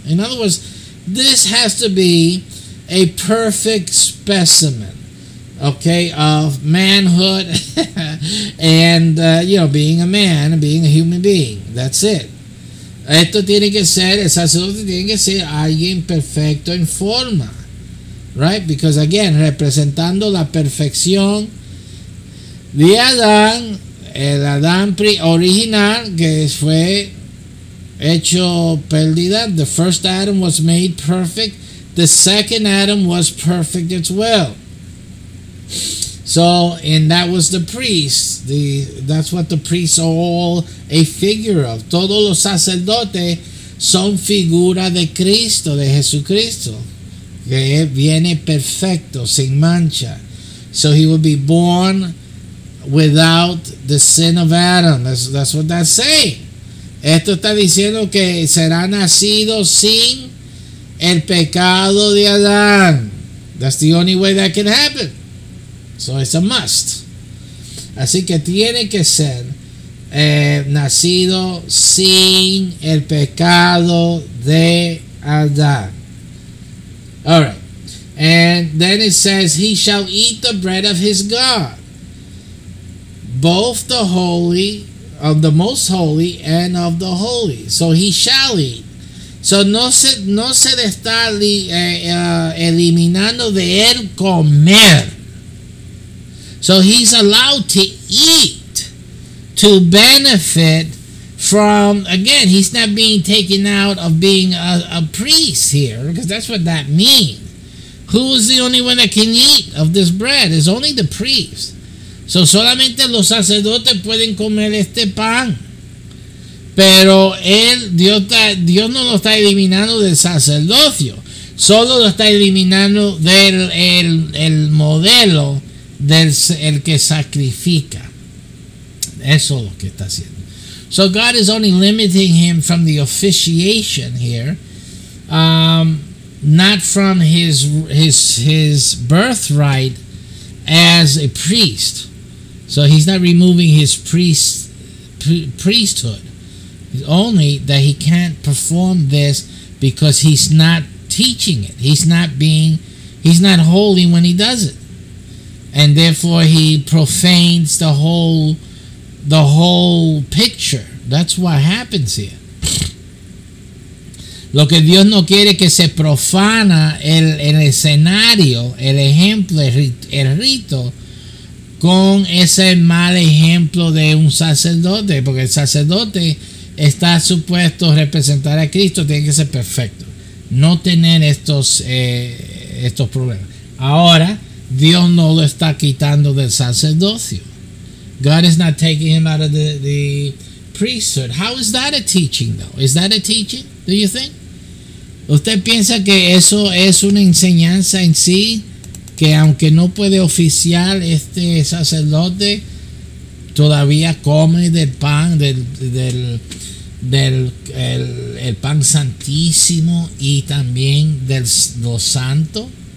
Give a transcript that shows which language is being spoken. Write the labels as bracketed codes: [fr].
[en] In other words, this has to be a perfect specimen. Okay, of manhood and, you know, being a man, being a human being. That's it. [es] Esto tiene que ser, el sacerdote tiene que ser alguien perfecto en forma. [en] Right? Because, again, [es] representando la perfección de Adán, el Adán original que fue hecho perdida. [en] The first Adam was made perfect. The second Adam was perfect as well. So, and that was the priest. That's what the priests are all a figure of. [es] Todos los sacerdotes son figura de Cristo, de Jesucristo. Que viene perfecto, sin mancha. [en] So he will be born without the sin of Adam. That's what that's saying. [es] Esto está diciendo que será nacido sin el pecado de Adán. [en] That's the only way that can happen. So it's a must. [es] Así que tiene que ser nacido sin el pecado de Adán. [en] All right. And then it says, he shall eat the bread of his God, both the holy, of the most holy, and of the holy. So he shall eat. [es] So no se le está eliminando de él comer. [en] So he's allowed to eat to benefit from, again, he's not being taken out of being a priest here, because that's what that means. Who is the only one that can eat of this bread? It's only the priest. [es] So solamente los sacerdotes pueden comer este pan. Pero él, Dios no lo está eliminando del sacerdocio. Solo lo está eliminando del el modelo del el que sacrifica. Eso es lo que está haciendo. [en] So God is only limiting him from the officiation here. Not from his birthright as a priest. So he's not removing his priesthood. Only that he can't perform this because he's not teaching it. He's not holy when he does it. And therefore he profanes the whole picture. That's what happens here. [es] Lo que Dios no quiere que se profana el escenario, el ejemplo, el rito, con ese mal ejemplo de un sacerdote, porque el sacerdote está supuesto representar a Cristo, tiene que ser perfecto, no tener estos problemas. Ahora Dios no lo está quitando del sacerdocio. [en] God is not taking him out of the priesthood. How is that a teaching though? Is that a teaching, do you think? [es] ¿Usted piensa que eso es una enseñanza en sí, que aunque no puede oficiar este sacerdote, todavía come del pan del pan santísimo y también del lo santo?